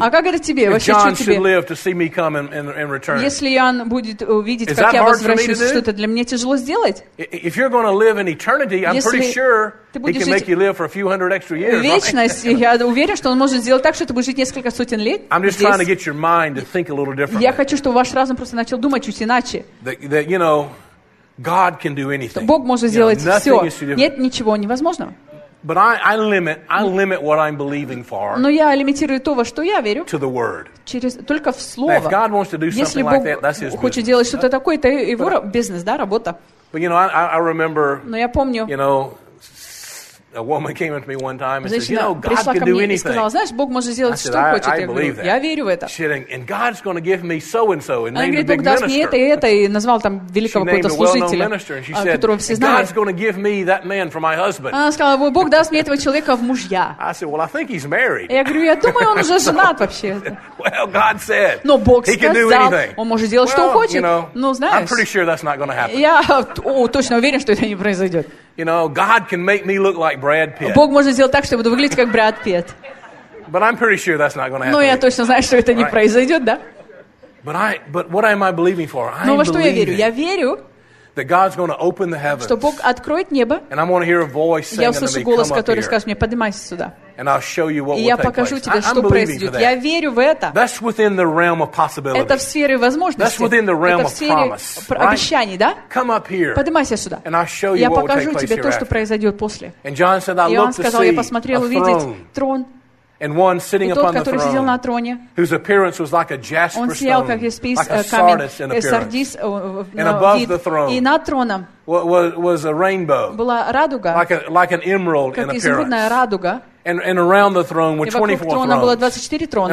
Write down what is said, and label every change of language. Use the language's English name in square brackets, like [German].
[Russian] А как это тебе? Вообще, [English] John [Russian] что тебе? [English] Live to see me come and return. [Russian] Если Иоанн будет увидеть, как я возвращусь, что это для меня тяжело сделать? [English] If you're going to live in eternity, I'm pretty sure he can make you live for a few hundred extra years. [Russian] Вечность, я уверен, что он может сделать так, что ты будешь жить несколько сотен лет. [English] I'm just trying to get your mind to think a little differently. [Russian] Я хочу, чтобы ваш разум просто начал думать чуть иначе. [English] That you know, God can do anything. [Russian] Бог может сделать все. Нет ничего невозможного. [English] But I limit what I'm believing for. [Russian] Но я лимитирую то, во что я верю. [English] To the word. [Russian] Через только в слово. [English] Now, if God wants to do something like that, that's his business. [Russian] Если Бог хочет делать что-то такое, это его бизнес, да, работа. [English] But you know, I remember. [Russian] Но я помню. [English] You know, a woman came up to me one time and said, "You know, God can do anything." [Russian] И сказала, знаешь, Бог может сделать что хочет. [English] I believe that. [Russian] Я верю в это. [English] And God's going to give me so and so and name a big minister. [Russian] Мне это и это и назвал там великого какого-то служителя, которого все знают. [English] God's going to give me that man for my husband. [Russian] Она сказала, Бог даст мне этого человека в мужья. [English] I said, "Well, I think he's married." [Russian] Я говорю, я думаю, он уже женат вообще. [English] Well, God said. [Russian] Но Бог сказал, он может сделать что хочет. Ну знаешь. [English] I'm pretty sure that's not going to happen. [Russian] Я точно уверен, что это не произойдет. [English] You know, God can make me look like Brad Pitt. [Russian] Бог может сделать так, что я буду выглядеть как Брэд Питт. [English] But I'm pretty sure that's not going to happen. [Russian] Но я точно знаю, что это не произойдет, да? [English] But what am I believing for? [Russian] Но во что я верю? Я верю, [English] that God's going to open the heavens. [Russian] Что Бог откроет небо. [English] And I'm going to hear a voice saying to me, "Come up here." [Russian] Я услышу голос, который скажет мне, поднимайся сюда. [English] And I'll show you what will take place. [Russian] И я покажу тебе, что произойдет. Я верю в это. [English] That's within the realm of possibility. [Russian] Это в сфере возможностей. [English] That's within the realm of promise. [Russian] Обещаний, да? [English] Come up here. [Russian] Поднимайся сюда. [English] And I'll show you what will take place hereafter. [Russian] Я покажу тебе то, что произойдет после. [English] And John said, "I looked to see a throne." And one sitting upon the throne. [Russian] И тот, который сидел на троне. [English] Whose appearance was like a jasper stone. [Russian] Он сиял как ясперс, камень. [English] Like a sardis in appearance. [Russian] И над троном. [English] Was a rainbow. [Russian] Была радуга. [English] Like an emerald in appearance. [Russian] Как изумрудная радуга. [English] And around the throne were 24 thrones. [Russian] И вокруг трона было 24 трона.